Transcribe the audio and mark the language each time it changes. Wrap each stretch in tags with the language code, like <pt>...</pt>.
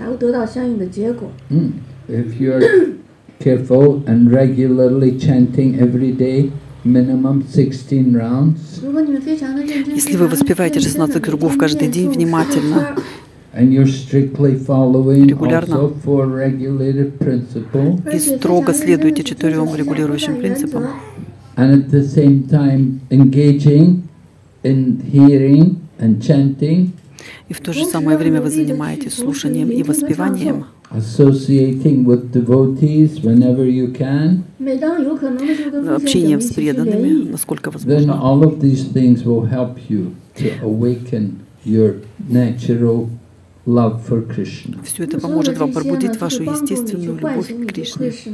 <en>If you're careful and regularly chanting every day, minimum 16 rounds.</en> <ru>Если вы воспеваете 16 кругов каждый день внимательно,</ru> <en>and you're strictly following also four regulated principles,</en> <ru>и строго следуете четырем регулирующим принципам,</ru> <en>and at the same time engaging in hearing and chanting,</en> <ru>и в то же самое время вы занимаетесь слушанием и воспеванием,</ru> <en>associating with devotees whenever you can,</en> <ru>общением с преданными, насколько возможно,</ru> <en>then all of these things will help you to awaken your natural love for Krishna.</en> <ru>Все это поможет вам пробудить вашу естественную любовь к Кришне.</ru>